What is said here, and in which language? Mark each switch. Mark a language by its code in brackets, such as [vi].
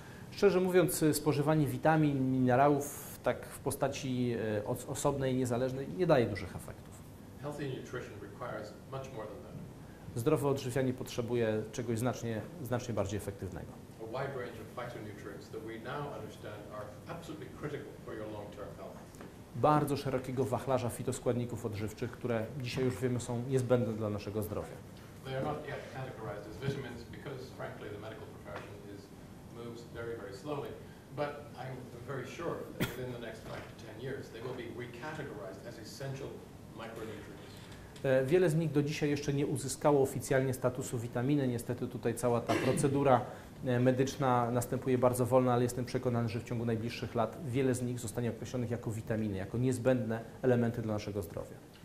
[pl] Szczerze mówiąc, spożywanie witamin, minerałów tak w postaci osobnej, niezależnej nie daje dużych efektów. [en] Much more than that. [pl] Zdrowe odżywianie potrzebuje czegoś znacznie, znacznie bardziej efektywnego. [en] A wide range of phytonutrients that we now understand are absolutely critical for your long-term health. [pl] Bardzo szerokiego wachlarza fitoskładników odżywczych, które dzisiaj już wiemy są niezbędne dla naszego zdrowia. [en] They are not yet categorized as vitamins because, frankly, the medical profession moves very, very slowly. But I'm very sure that within the next 5 to 10 years they will be recategorized as essential micronutrients. [pl] Wiele z nich do dzisiaj jeszcze nie uzyskało oficjalnie statusu witaminy. Niestety tutaj cała ta procedura medyczna następuje bardzo wolno, ale jestem przekonany, że w ciągu najbliższych lat wiele z nich zostanie określonych jako witaminy, jako niezbędne elementy dla naszego zdrowia.